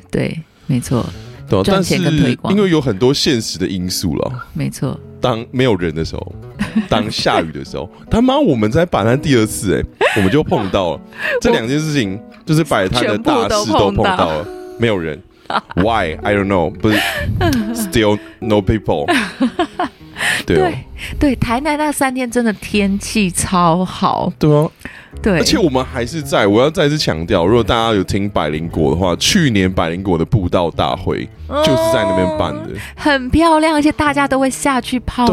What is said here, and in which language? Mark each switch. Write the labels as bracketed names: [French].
[Chinese] 对，没错。对、啊，但是因为有很多现实的因素了。没错。当没有人的时候，当下雨的时候，他妈我们在摆摊第二次、欸、我们就碰到了这两件事情，就是摆摊的大事都碰到了，没有人。 [English] Why I don't know， [Chinese] 不是 [English] still no people [Chinese] 对。对对，台南那三天真的天气超好，对啊，对，而且我们还是在，我要再次强调，如果大家有听百灵果的话，去年百灵果的布道大会就是在那边办的、很漂亮，而且大家都会下去泡脚，